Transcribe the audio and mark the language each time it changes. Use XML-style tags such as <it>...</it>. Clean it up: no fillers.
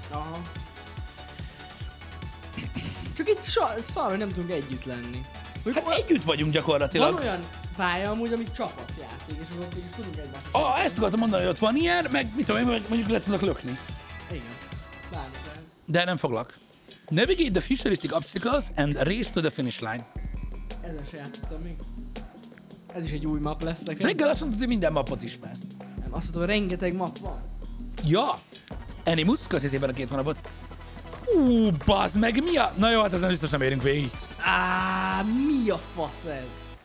<hu>Aha. Csak itt szar, hogy nem tudunk együtt lenni. Hogy hát együtt vagyunk gyakorlatilag. Van olyan pálya amúgy, amit csapatjáték, és akkor is tudunk egymást. Ah, ezt akartam mondani, hogy ott van ilyen, meg mit tudom én, mondjuk le tudok lökni. Igen. De nem foglak.</hu> <en>Navigate the futuristic obstacles and race to the finish line.</en> <hu>Ezen se játszottam még. Ez is egy új map lesz nekem. Reggel azt mondtad, hogy minden mapot ismersz. Nem, azt mondtad, hogy rengeteg map van. Ja! Animus, köszi szépen a két hónapot. Bazd meg, mi a... Na jó, hát ezen biztos nem érünk végig. Mi a fasz ez?</hu>